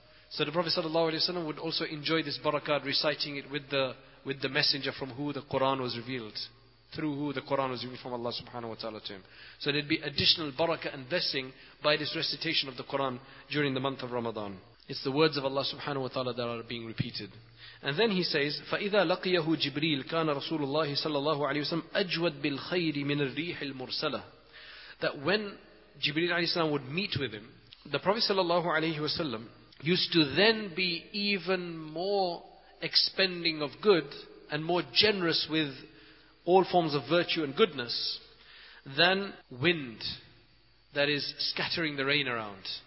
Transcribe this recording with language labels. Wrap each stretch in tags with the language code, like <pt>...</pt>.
<en>So the Prophet ﷺ would also enjoy this barakat, reciting it with the messenger from who the Qur'an was revealed. Through who the Qur'an was revealed from Allah subhanahu wa ta'ala to him. So there'd be additional barakah and blessing by this recitation of the Qur'an during the month of Ramadan. It's the words of Allah subhanahu wa ta'ala that are being repeated. And then he says,</en> <ar>فَإِذَا لَقِيَهُ جِبْرِيلِ كَانَ رَسُولُ اللَّهِ صَلَى اللَّهُ عَلَيْهِ وَسَلَمْ أَجْوَدْ بِالْخَيْرِ مِنَ الْرِيحِ الْمُرْسَلَةِ.</ar> <en>That when Jibreel alayhi salam would meet with him, the Prophet sallallahu alayhi wa sallam used to then be even more expending of good and more generous with all forms of virtue and goodness than wind that is scattering the rain around.</en>